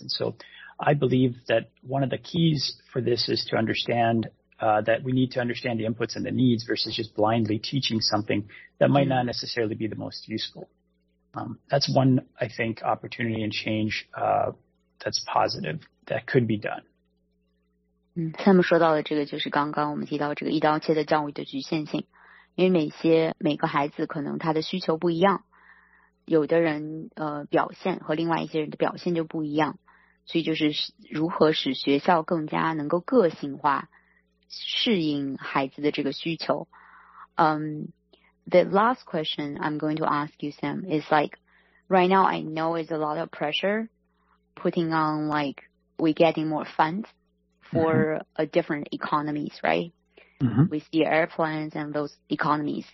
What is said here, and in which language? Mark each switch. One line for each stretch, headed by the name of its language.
English: And so I believe that one of the keys for this is to understandthat we need to understand the inputs and the needs versus just blindly teaching something that might not necessarily be the most useful. That's one, I think, opportunity and change that's positive that could be done.
Chinese: Sam 说到的这个就是刚刚我们提到这个一刀切的教育的局限性，因为每个孩子可能他的需求不一样，有的人表现和另外一些人的表现就不一样，所以就是如何使学校更加能够个性化适应孩子的这个需求。
English: The last question I'm going to ask you, Sam, is like, right now I know it's a lot of pressure putting on, like, we're getting more funds for different economies, right? Mm-hmm. We see airplanes and those economies.